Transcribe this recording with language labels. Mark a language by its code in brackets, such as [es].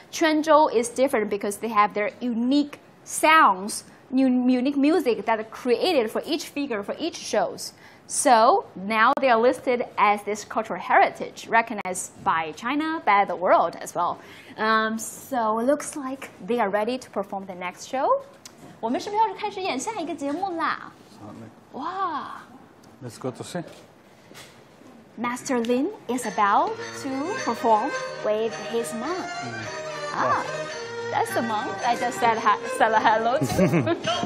[en] Quanzhou is different because they have their unique sounds, unique music that are created for each figure, for each shows. So now they are listed as this cultural heritage recognized by China, by the world as well. So it looks like they are ready to perform the next show. [zh] 我们是不是要开始演下一个节目啦？哇 [en] Let's go to see. Master Lin is about to perform with his monk. That's the monk I just said hello to.